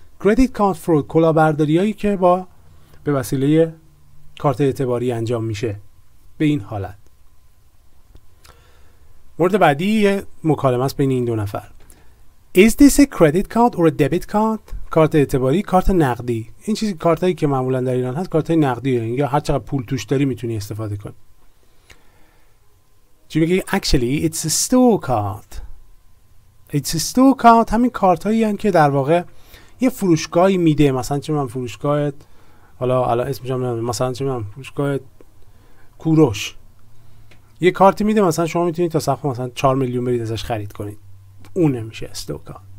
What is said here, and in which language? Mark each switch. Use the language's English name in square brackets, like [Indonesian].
[Persian] credit card fraud کلاهبرداری هایی که با به وسیله کارت اعتباری انجام میشه به این حالت. مورد بعدی یه مکالمه است بین این دو نفر. [English] Is this a credit card or a debit card? [Persian] کارت اعتباری، کارت نقدی. این چیزی کارتایی که معمولا در ایران هست کارت نقدیه، یا هر چقدر پول توش داری میتونی استفاده کنی. چی میگه؟ [English] Actually it's a store card. It's a store card [Persian] همین کارتایی هستن که در واقع یه فروشگاهی میده، مثلا چه من فروشگاهت حالا اسمش هم نمیدونم، مثلا چه من فروشگاهت کوروش یه کارتی میده، مثلا شما میتونید تا سقف مثلا 4 میلیون برید ازش خرید کنید، اون نمیشه استور کارت.